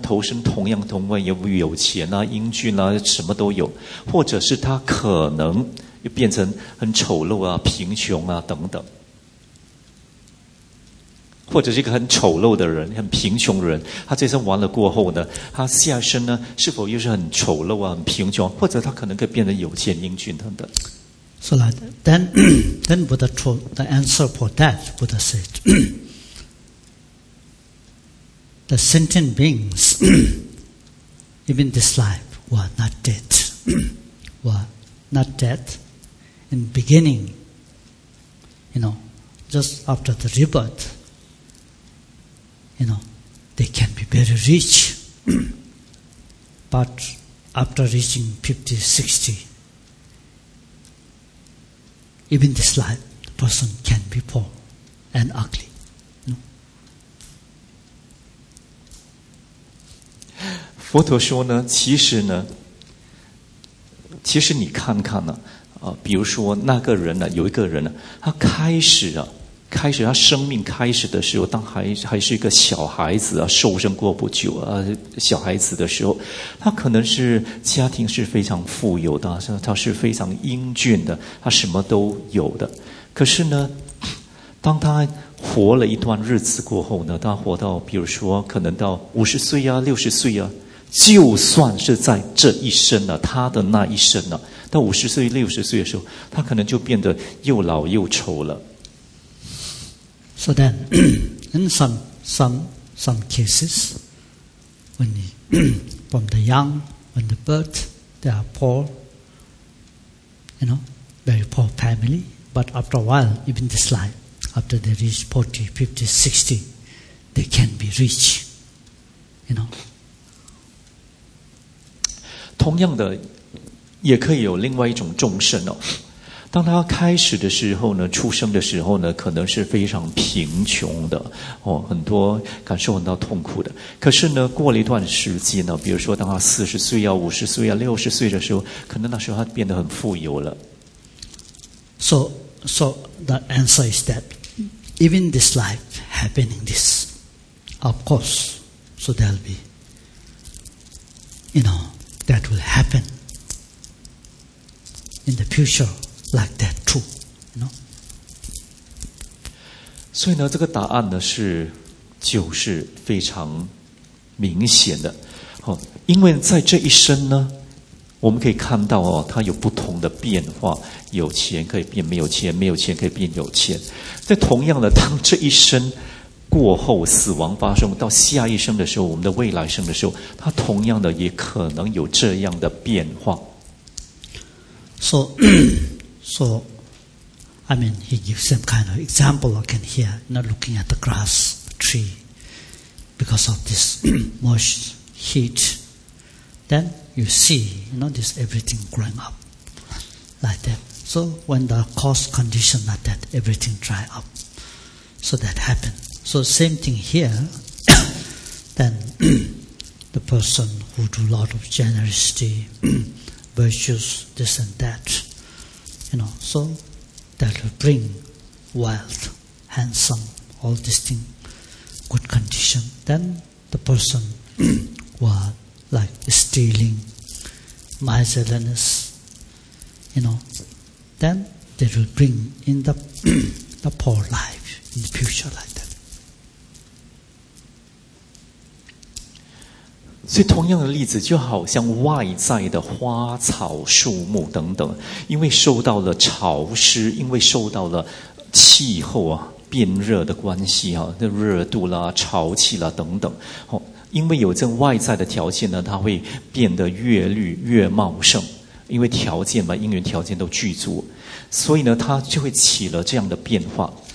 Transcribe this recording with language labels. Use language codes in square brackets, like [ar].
[zh] 投生同样同样有钱啊、英俊啊，什么都有，或者是他可能又变成很丑陋啊、贫穷啊等等，或者是一个很丑陋的人、很贫穷的人，他这一生完了过后呢，他下生呢是否又是很丑陋啊、很贫穷，或者他可能可以变成有钱、英俊等等。 [en] So like that. Then, then Buddha told the answer for that. Buddha said, the sentient beings, even this life, were not dead. were not dead in beginning. You know, just after the rebirth, you know, they can be very rich. but after reaching 50, 60,Even this life, the person can be poor and ugly. No? [zh] 佛陀说呢，其实呢，其实你看看呢，比如说那个人呢，有一个人呢，他开始啊，开始他生命开始的时候，当还是一个小孩子啊，受生过不久啊，小孩子的时候，他可能是家庭是非常富有的，他是非常英俊的，他什么都有的。可是呢，当他活了一段日子过后呢，他活到比如说可能到50岁啊、60岁啊，就算是在这一生呢、啊，他的那一生呢、啊，到50岁、60岁的时候，他可能就变得又老又丑了。 [en] So then, in some cases, when he, from the young, when the birth, they are poor, you know, very poor family. But after a while, even this life, after they reach 40, 50, 60, they can be rich, you know. [zh] 同样的，也可以有另外一种众生哦。当他开始的时候呢，出生的时候呢，可能是非常贫穷的，哦，很多感受很到痛苦的。可是呢，过了一段时间呢，比如说当他40岁啊、50岁啊、60岁的时候，可能那时候他变得很富有了。 [en] So the answer is that even this life happening this, of course, so there'll be, you know, that will happen in the future. Like that too, you know? [zh] 所以呢，这个答案呢是就是非常明显的，哦，因为在这一生呢，我们可以看到哦，它有不同的变化，有钱可以变没有钱，没有钱可以变有钱。在同样的，当这一生过后，死亡发生到下一生的时候，我们的未来生的时候，它同样的也可能有这样的变化。 [en] So. So, I mean, he gives some kind of example I can hear, you know, looking at the grass, the tree, because of this moisture, heat. Then you see, you know, this everything growing up like that. So when the cause condition like that, everything dry up. So that happened. So same thing here, then the person who do a lot of generosity, virtues, this and that,You know, so that will bring wealth, handsome, all these things, good condition, then the person was like stealing miserliness, you know, then they will bring in the, the poor life in the future like that. [zh] 所以同样的例子就好像外在的花草树木等等，因为受到了潮湿，因为受到了气候啊变热的关系啊，那热度啦、潮气啦等等，因为有这外在的条件呢，它会变得越绿越茂盛，因为条件嘛，因缘条件都具足，所以呢，它就会起了这样的变化。